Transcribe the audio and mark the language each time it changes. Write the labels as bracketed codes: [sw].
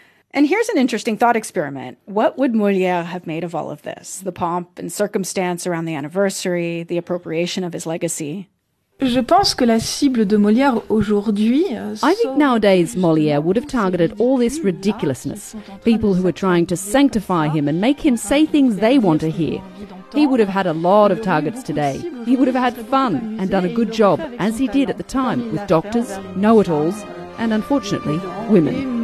[en] And here's an interesting thought experiment. What would Molière have made of all of this? The pomp and circumstance around the anniversary, the appropriation of his legacy? [fr] Je pense que la cible de Molière aujourd'hui. [en] I think nowadays Molière would have targeted all this ridiculousness. People who are trying to sanctify him and make him say things they want to hear. He would have had a lot of targets today. He would have had fun and done a good job, as he did at the time, with doctors, know-it-alls, and unfortunately, women.